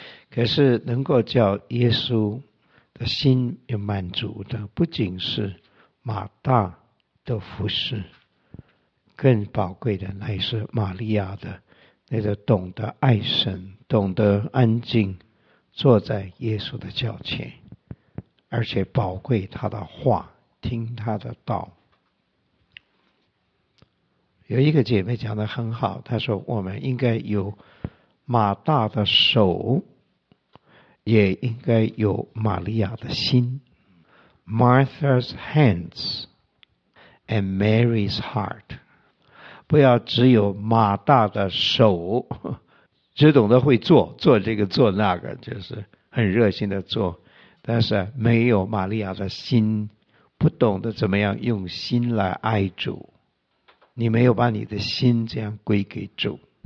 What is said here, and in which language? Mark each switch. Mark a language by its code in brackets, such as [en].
[zh] 可是能够叫耶稣的心有满足的，不仅是马大的服侍，更宝贵的乃是玛利亚的那个懂得爱神、懂得安静，坐在耶稣的脚前，而且宝贵他的话，听他的道。有一个姐妹讲得很好，她说：“我们应该有马大的手。” 也应该有玛利亚的心， [en] Martha's hands and Mary's heart。 [zh] 不要只有马大的手，只懂得会做，做这个做那个，就是很热心的做，但是没有玛利亚的心，不懂得怎么样用心来爱主，你没有把你的心这样归给主。